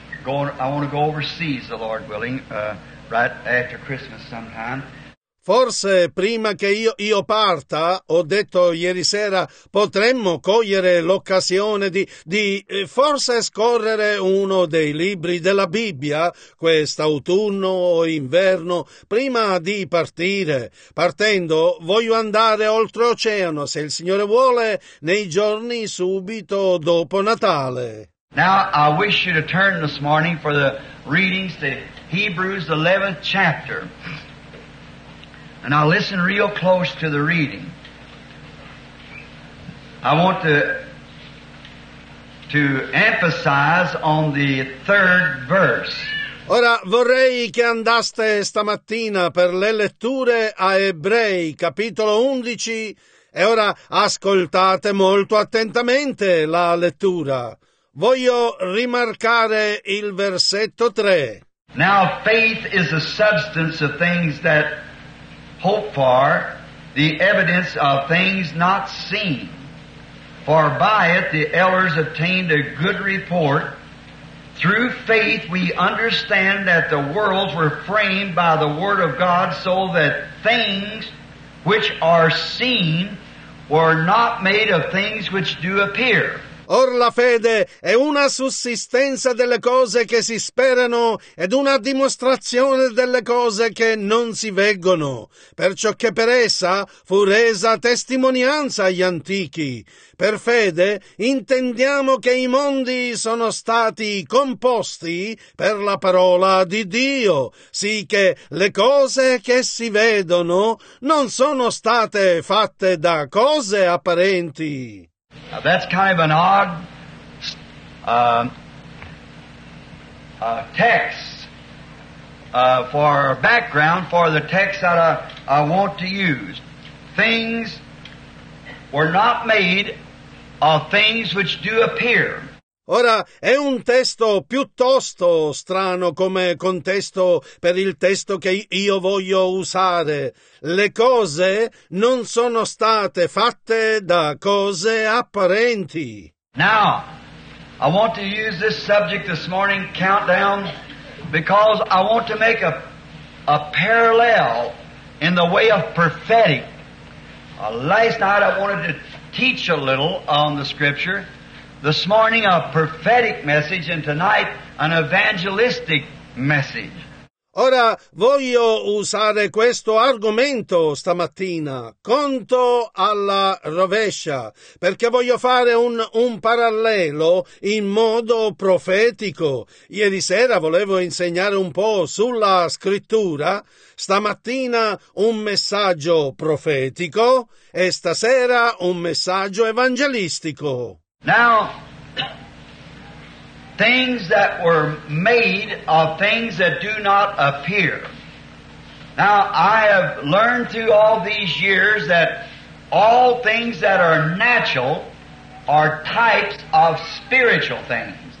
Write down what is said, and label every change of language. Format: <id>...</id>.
<en>I want to go overseas, the Lord willing, right after Christmas sometime.</en> <it>Forse prima che io parta, ho detto ieri sera, potremmo cogliere l'occasione di forse scorrere uno dei libri della Bibbia quest'autunno o inverno prima di partire. Partendo voglio andare oltreoceano, se il Signore vuole, nei giorni subito dopo Natale.</it> <en>Now I wish you to turn this morning for the readings to Hebrews 11th chapter. And now listen real close to the reading. I want to emphasize on the third verse.</en> <it>Ora vorrei che andaste stamattina per le letture a Ebrei, capitolo 11, e ora ascoltate molto attentamente la lettura. Voglio rimarcare il versetto 3.</it> <en>Now faith is the substance of things that hope for, the evidence of things not seen. For by it the elders obtained a good report. Through faith we understand that the worlds were framed by the word of God, so that things which are seen were not made of things which do appear.</en> <it>Or la fede è una sussistenza delle cose che si sperano ed una dimostrazione delle cose che non si vengono, perciò che per essa fu resa testimonianza agli antichi. Per fede intendiamo che i mondi sono stati composti per la parola di Dio, sì che le cose che si vedono non sono state fatte da cose apparenti.</it> <en>Now that's kind of an odd text for background for the text that I want to use. Things were not made of things which do appear.</en> <it>Ora, è un testo piuttosto strano come contesto per il testo che io voglio usare. Le cose non sono state fatte da cose apparenti.</it> <en>Now, I want to use this subject this morning, countdown, because I want to make a parallel in the way of prophetic. Last night I wanted to teach a little on the scripture. This morning a prophetic message and tonight an evangelistic message.</en> <it>Ora voglio usare questo argomento stamattina, conto alla rovescia, perché voglio fare un parallelo in modo profetico. Ieri sera volevo insegnare un po' sulla scrittura, stamattina un messaggio profetico e stasera un messaggio evangelistico.</it> <en>Now, things that were made of things that do not appear. Now, I have learned through all these years that all things that are natural are types of spiritual things.</en>